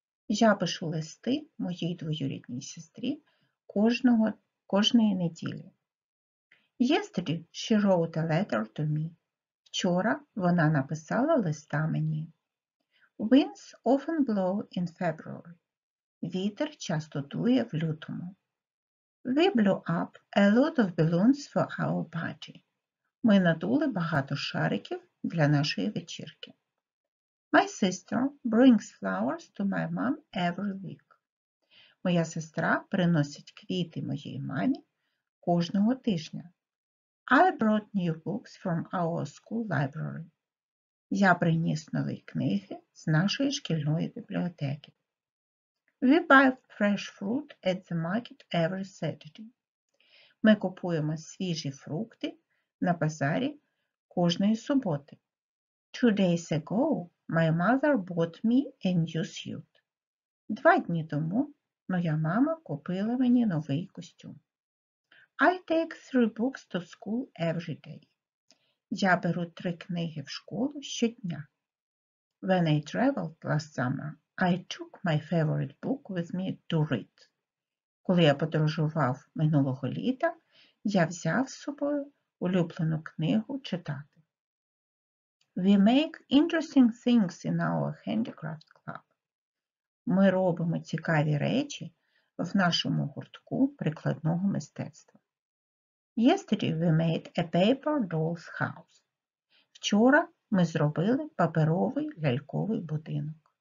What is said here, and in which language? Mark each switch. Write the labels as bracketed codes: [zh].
[uk] Я пишу листи моїй двоюрідній сестрі кожної неділі. [en] Yesterday she wrote a letter to me. [uk] Вчора вона написала листа мені. [en] Winds often blow in February. [uk] Вітер часто дує в лютому. [en] We blew up a lot of balloons for our party. [uk] Ми надули багато шариків для нашої вечірки. [en] My sister brings flowers to my mom every week. [uk] Моя сестра приносить квіти моїй мамі кожного тижня. [en] I brought new books from our school library. [uk] Я приніс нові книги з нашої шкільної бібліотеки. [en] We buy fresh fruit at the market every Saturday. [uk] Ми купуємо свіжі фрукти на базарі кожної суботи. [en] 2 days ago my mother bought me a new suit. [uk] 2 дні тому моя мама купила мені новий костюм. [en] I take 3 books to school every day. [uk] Я беру 3 книги в школу щодня. [en] When I traveled last summer, I took my favorite book with me to read. [uk] Коли я подорожував минулого літа, я взяв з собою улюблену книгу читати. [en] We make interesting things in our handicraft club. [uk] Ми робимо цікаві речі в нашому гуртку прикладного мистецтва. [en] Yesterday we made a paper doll's house. [uk] Вчора ми зробили паперовий ляльковий будинок.